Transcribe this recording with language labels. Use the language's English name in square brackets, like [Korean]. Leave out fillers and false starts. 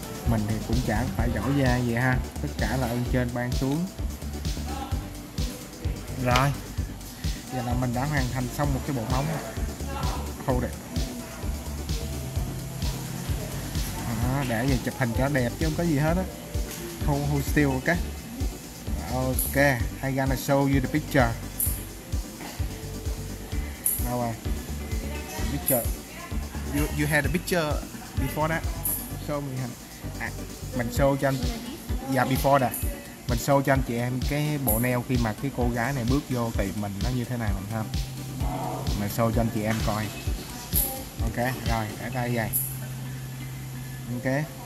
[Vietnamese] Mình thì cũng chả phải giỏi giang gì ha. Tất cả là ơn trên ban xuống. Rồi. Giờ là mình đã hoàn thành xong một cái bộ móng. Thôi đẹp. Để giờ chụp hình cho đẹp chứ không có gì hết á. [English] Thu hồ still ok. Ok, I gonna show you the picture. Now picture. You had a picture before that. Show me. [Vietnamese] Mình show cho anh. [English] Yeah, before that. [Vietnamese] Mình show cho anh chị em cái bộ nail khi mà cái cô gái này bước vô tiệm mình nó như thế nào mình không? Mình show cho anh chị em coi. Ok, rồi, ở đây vậy. Ok.